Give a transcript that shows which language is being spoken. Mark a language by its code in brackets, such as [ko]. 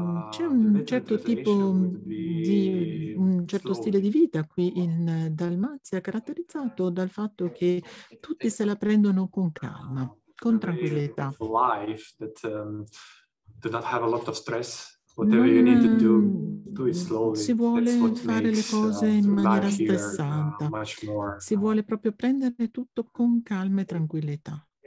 [it] C'è un certo tipo di un certo stile di vita qui in Dalmazia, caratterizzato dal fatto che tutti se la prendono con calma. Con tranquillità. [en] Life that do not have a lot of stress. Whatever you need to do, do it slowly. [it] Si vuole fare le cose in maniera stressata. Si vuole proprio prendere tutto con calma e tranquillità.